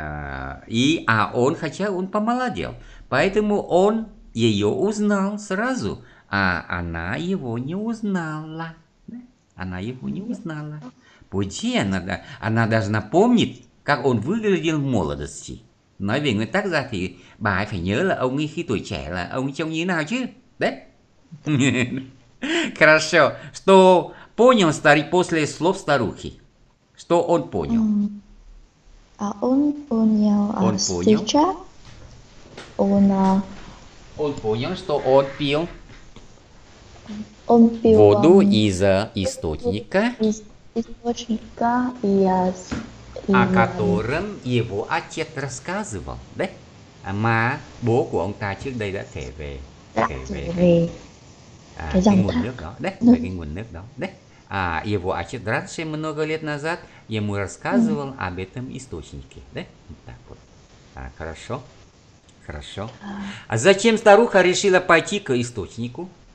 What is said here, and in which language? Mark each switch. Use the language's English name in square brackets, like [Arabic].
[Russian] А он, хотя он помолодел. Поэтому он ее узнал сразу. А она его не узнала. Она его не узнала. Пути она должна помнить, как он выглядел в молодости. [Vietnamese] Nói về nguyên tắc ra thì bà ấy phải nhớ là ông ấy khi tuổi trẻ là ông ấy trông như thế nào chứ. Đấy. [Russian] Хорошо. Что понял старик после слов старухи? Что он понял? Он понял, Он понял? сейчас Он понял, что он пил он пил воду из источника, из источника и о котором его отец рассказывал, да? [Vietnamese] Mà bố của ông ta trước đây đã kể về về cái cái dòng nguồn thác nước đó, đấy, về nước. cái nguồn nước đó, đấy. [Russian] À, его отец раньше много лет назад ему рассказывал об этом источнике, да? Вот так вот. А, хорошо, хорошо. А зачем старуха решила пойти к источнику?